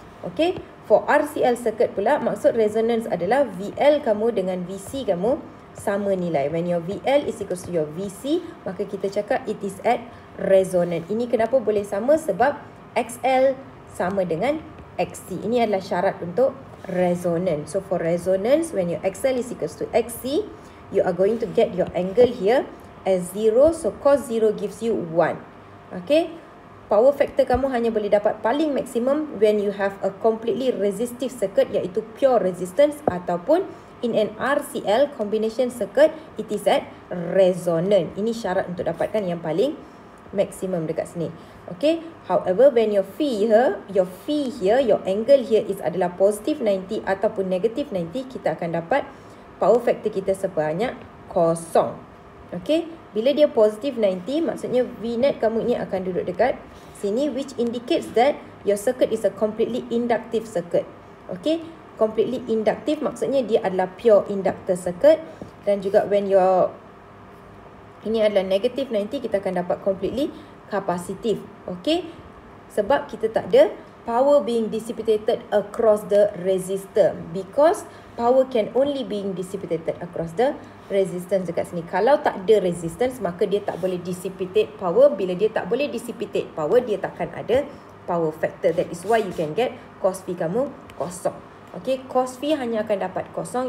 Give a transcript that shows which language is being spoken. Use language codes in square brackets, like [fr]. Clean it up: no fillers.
[ms] Okay, [en] for RCL circuit [ms] pula, maksud resonance adalah VL kamu dengan VC kamu sama nilai. [en] When your VL is equal to your VC, [ms] maka kita cakap [en] it is at resonant. [ms] Ini kenapa boleh sama? Sebab XL sama dengan XC. Ini adalah syarat untuk resonant. [en] So for resonance, when your XL is equal to XC, you are going to get your angle here as 0. So cos 0 gives you 1. Okay, power factor kamu hanya boleh dapat paling maksimum when you have a completely resistive circuit, [ms] iaitu pure resistance, ataupun [en] in an RCL combination circuit, it is at resonant. [ms] Ini syarat untuk dapatkan yang paling maximum dekat sini. [en] Okay, however when your angle here is adalah positive 90 ataupun negative 90, [ms] kita akan dapat power factor kita sebanyak kosong. [en] Okay, [ms] bila dia positive 90, maksudnya V net kamu ini akan duduk dekat sini, [en] which indicates that your circuit is a completely inductive circuit. [ms] Okay, completely inductive maksudnya dia adalah pure inductor circuit. Dan juga [en] when your [ms] ini adalah negative 90, kita akan dapat completely capacitive. [en] Okay, [ms] sebab kita tak ada [en] power being dissipated across the resistor, because power can only being dissipated across the resistance [ms] dekat sini. Kalau tak ada resistance, maka dia tak boleh dissipate power. Bila dia tak boleh dissipate power, dia takkan ada power factor. [en] That is why you can get cos V [ms] kamu kosong. Okay, cos V hanya akan dapat kosong.